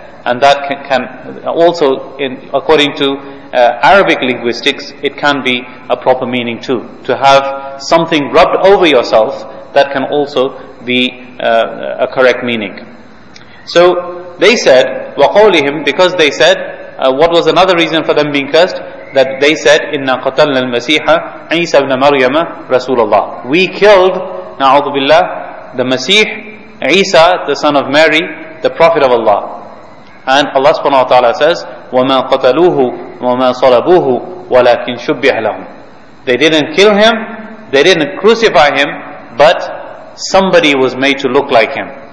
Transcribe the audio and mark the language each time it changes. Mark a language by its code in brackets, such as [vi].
[en] And that can also, according to Arabic linguistics, it can be a proper meaning too. To have something rubbed over yourself, that can also be a correct meaning. So they said, [ar] وَقَوْلِهِمْ, [en] because they said, what was another reason for them being cursed? That they said, [ar] إِنَّا قَتَلْنَا الْمَسِيحَ عِيسَى بْنَ مَرْيَمَ رَسُولَ اللَّهِ. [en] We killed, [ar] نَعُوذُ بِاللَّهِ, [en] the Masih, Isa, the son of Mary, the Prophet of Allah. And Allah subhanahu wa ta'ala says, [ar] وَمَا قَتَلُوهُ وَمَا صَلَبُوهُ وَلَكِنْ شُبِّحَ لَهُمْ. [en] They didn't kill him, they didn't crucify him, but somebody was made to look like him.